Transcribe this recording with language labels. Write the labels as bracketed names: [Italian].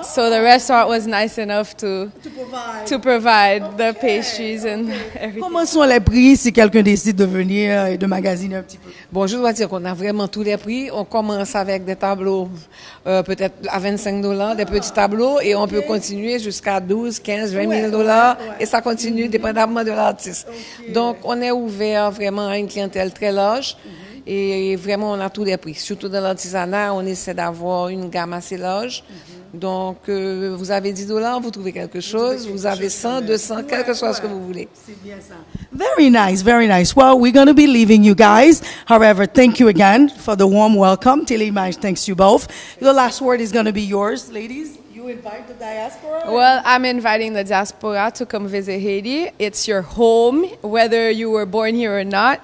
[English] Oh. So the restaurant was nice enough to provide okay. The pastries and everything. [French] Comment sont les prix si quelqu'un décide de venir et de magasiner un petit peu? Bon, je dois dire qu'on a vraiment tous les prix. On commence avec des tableaux peut-être à 25 $, des petits tableaux, et on peut continuer jusqu'à 12, 15, 20 000 $, et ça continue dépendamment de l'artiste. Okay. Donc, on est ouvert vraiment à une clientèle très large. Et vraiment, on a tous les prix. Surtout dans l'artisanat, on essaie d'avoir une gamme assez large. Donc, vous avez 10 $, vous trouvez quelque chose. Vous avez 100, 200, quel que soit ce que vous voulez. C'est bien ça. [English] Very nice, very nice. Well, we're going to be leaving you guys. However, thank you again for the warm welcome. Télémage, thanks you both. The last word is going to be yours, ladies. Invite the diaspora? Well, I'm inviting the diaspora to come visit Haiti. It's your home, whether you were born here or not.